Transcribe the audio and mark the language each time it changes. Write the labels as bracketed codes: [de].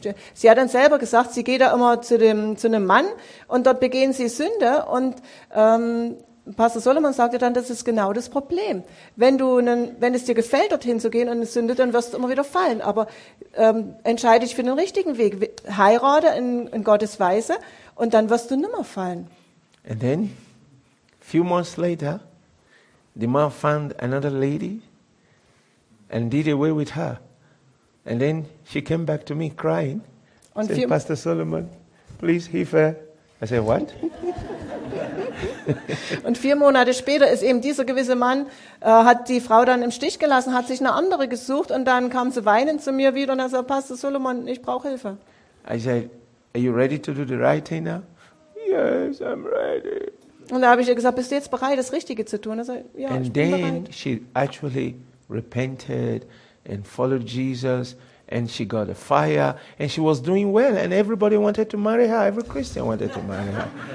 [de] hat dann selber gesagt, sie geht da immer zu einem Mann und dort begehen sie Sünde und Pastor Solomon sagte dann, das ist genau das Problem. Wenn es dir gefällt, dorthin zu gehen und eine Sünde, dann wirst du immer wieder fallen. Aber entscheide dich für den richtigen Weg. Heirate in Gottes Weise und dann wirst du nimmer fallen. [en] And then, few months later, the man found another lady and did away with her. And then she came back to me crying. Und said, Pastor Solomon, please heave her. I said, what? [de] Und 4 Monate später ist eben dieser gewisse Mann, hat die Frau dann im Stich gelassen, hat sich eine andere gesucht und dann kam sie weinend zu mir wieder und er sagt, Pastor Solomon, ich brauche Hilfe. [en] I said, are you ready to do the right thing now? Yes, I'm ready. [de] Und da habe ich ihr gesagt, bist du jetzt bereit, das Richtige zu tun? Er sagt, ja, ich bin bereit. [en] And then she actually repented and followed Jesus and she got a fire and she was doing well and everybody wanted to marry her, every Christian wanted to marry her.